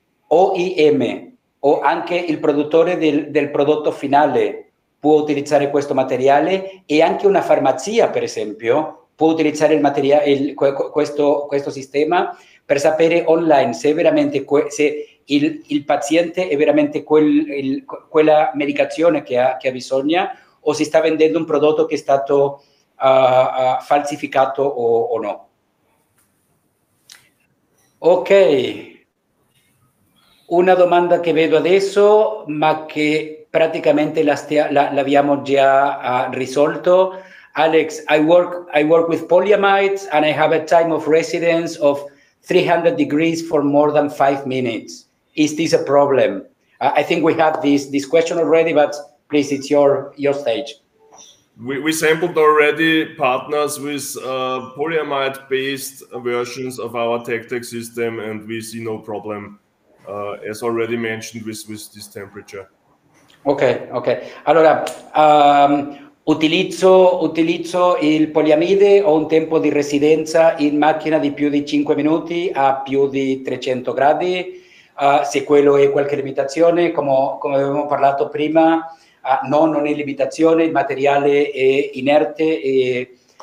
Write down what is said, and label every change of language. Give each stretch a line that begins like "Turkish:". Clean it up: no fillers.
Italian: OIM o anche il produttore del prodotto finale può utilizzare questo materiale, e anche una farmacia, per esempio, può utilizzare il materiale, questo sistema, per sapere online se il paziente è veramente quella medicazione che ha bisogno, o si sta vendendo un prodotto che è stato falsificato o no. Ok, una domanda che vedo adesso, ma che praticamente l'abbiamo già risolto.
English: Alex, I work with polyamides and I have a time of residence of 300 degrees for more than 5 minutes. Is this a problem? I think we have this question already, but please, it's your stage. We sampled already partners with polyamide-based versions of our TechTech system, and we see no problem, as already mentioned, with this temperature.
Italian: Ok. Allora, utilizzo il poliamide, ho un tempo di residenza in macchina di più di 5 minuti a più di 300 gradi. Se quello è qualche limitazione, come avevamo parlato prima, no, non è limitazione, il materiale è inerte e